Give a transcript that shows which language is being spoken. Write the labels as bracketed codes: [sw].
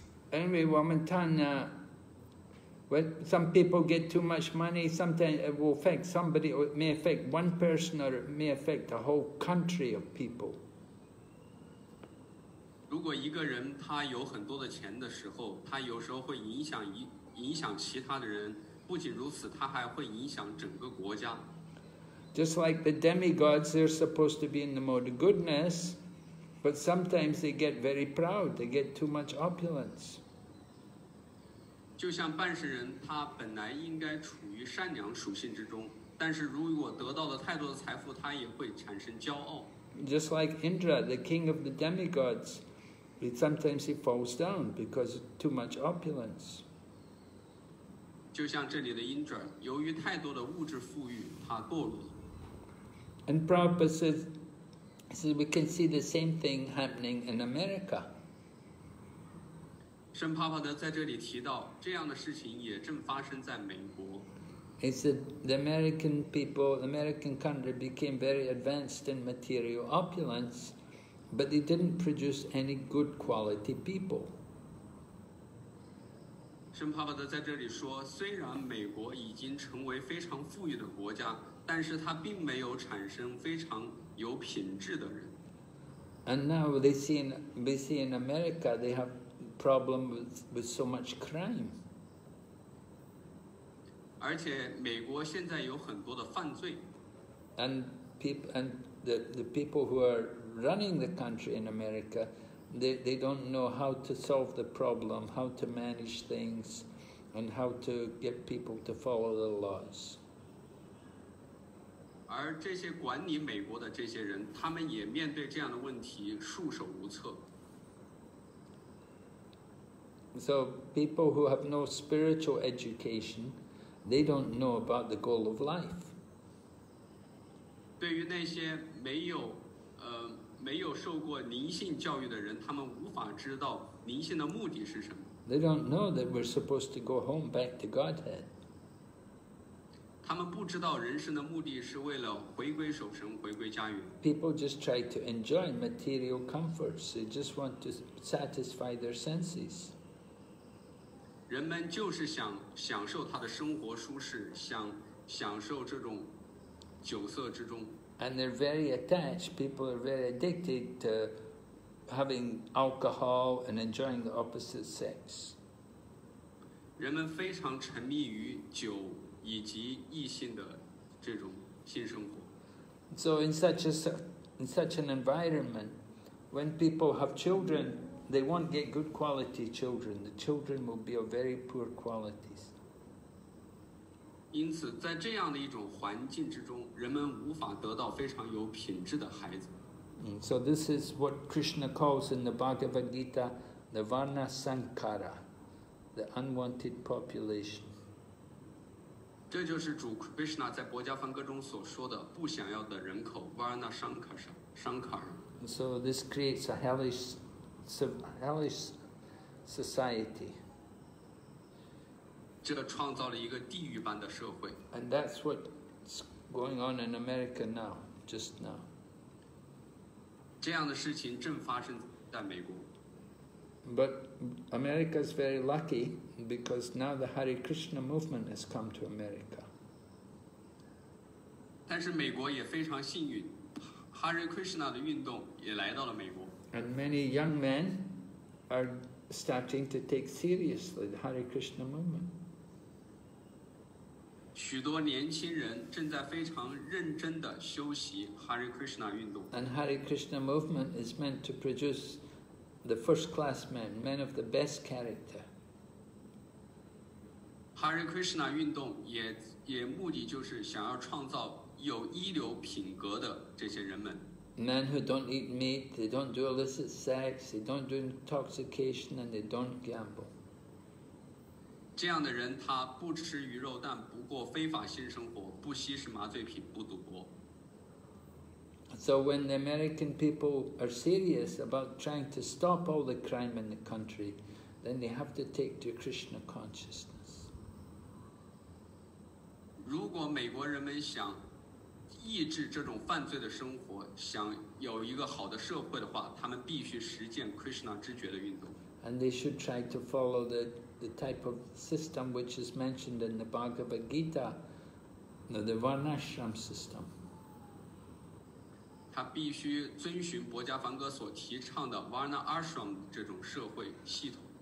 [en] Anyway, [zh] 我们谈 [en] when some people get too much money, sometimes it will affect somebody, or it may affect one person, or it may affect a whole country of people. [zh] 如果一个人他有很多的钱的时候，他有时候会影响其他的人，不仅如此，他还会影响整个国家。 [en] Just like the demigods, they're supposed to be in the mode of goodness, but sometimes they get very proud, they get too much opulence. [zh] 就像半世人，他本来应该处于善良属性之中，但是如果得到了太多的财富，他也会产生骄傲。 [en] Just like Indra, the king of the demigods, sometimes he falls down because of too much opulence. [zh] 就像这里的 Indra, 由于太多的物质富裕，他堕落了。 [en] And Prabhupada says, we can see the same thing happening in America. [zh] 圣帕帕德在这里提到，这样的事情也正发生在美国。 [en] He said the American people, the American country became very advanced in material opulence, but they didn't produce any good quality people. [zh] 圣帕帕德在这里说，虽然美国已经成为非常富裕的国家，但是它并没有产生非常有品质的人。 [en] And now we see in America they have. Problem with so much crime. [zh] 而且美国现在有很多的犯罪。 [en] And the people who are running the country in America, they don't know how to solve the problem, how to manage things, and how to get people to follow the laws. [zh] 而这些管理美国的这些人，他们也面对这样的问题束手无策。 [en] So people who have no spiritual education, they don't know about the goal of life. [zh] 对于那些没有受过灵性教育的人，他们无法知道灵性的目的是什么。 [en] They don't know that we're supposed to go home back to Godhead. [zh] 他们不知道人生的目的是为了回归守神，回归家园。 [en] People just try to enjoy material comforts. They just want to satisfy their senses. [zh] 人们就是想享受他的生活舒适，想享受这种酒色之中。 [en] And they're very attached. People are very addicted to having alcohol and enjoying the opposite sex. [zh] 人们非常沉迷于酒以及异性的这种性生活。 [en] So in such an environment, when people have children. They won't get good quality children. The children will be of very poor qualities. [zh] 因此，在这样的一种环境之中，人们无法得到非常有品质的孩子。 [en] So this is what Krishna calls in the Bhagavad Gita, the Varna Sankara, the unwanted population. [zh] 这就是主 Krishna 在薄伽梵歌中所说的不想要的人口 Varna Shankar。 [en] So this creates a hellish, hellish society. [zh] 这创造了一个地狱般的社会。 [en] And that's what's going on in America now, just now. [zh] 这样的事情正发生在美国。 [en] But America is very lucky because now the Hare Krishna movement has come to America. [zh] 但是美国也非常幸运， Hare Krishna 的运动也来到了美国。 [en] And many young men are starting to take seriously the Hare Krishna movement. [zh] 许多年轻人正在非常认真地修习 Hare Krishna 运动。 [en] And Hare Krishna movement is meant to produce. The first class men, men of the best character. [zh] Hare Krishna 运动也目的就是想要创造有一流品格的这些人们。 [en] Men who don't eat meat, they don't do illicit sex, they don't do intoxication, and they don't gamble. [zh] 这样的人他不吃鱼肉，但不过非法性生活，不吸食麻醉品，不赌博。 [en] So when the American people are serious about trying to stop all the crime in the country, then they have to take to Krishna consciousness. [zh] 如果美国人们想抑制这种犯罪的生活，想有一个好的社会的话，他们必须实践 Krishna 知觉的运动。 [en] And they should try to follow the type of system which is mentioned in the Bhagavad Gita, the Varnashram system. [zh] 他必须遵循薄伽梵歌所提倡的 Varna Ashram 这种社会系统。